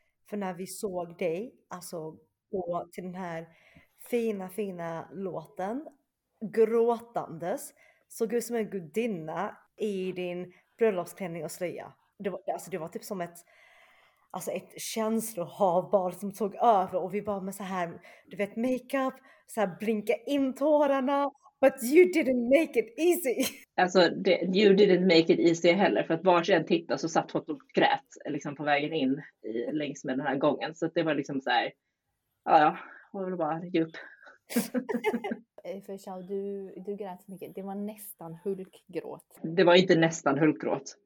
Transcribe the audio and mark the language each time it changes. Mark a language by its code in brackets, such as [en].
[sv] För när vi såg dig, alltså gå till den här fina låten, gråtandes, såg du som en gudinna i din bröllopsklänning och slöja. Det var typ som ett... alltså ett känslohav bara som tog över. Och vi var med så här, du vet, makeup. Så här blinka in tårarna. [en] But you didn't make it easy. [sv] Alltså, [en] you didn't make it easy [sv] heller. För att var jag än tittade så satt hon och grät liksom på vägen in i, längs med den här gången. Så att det var liksom så här, ja, jag vill bara ge upp. För Chau, du grät mycket. Det var nästan hulkgråt. Det var inte nästan hulkgråt.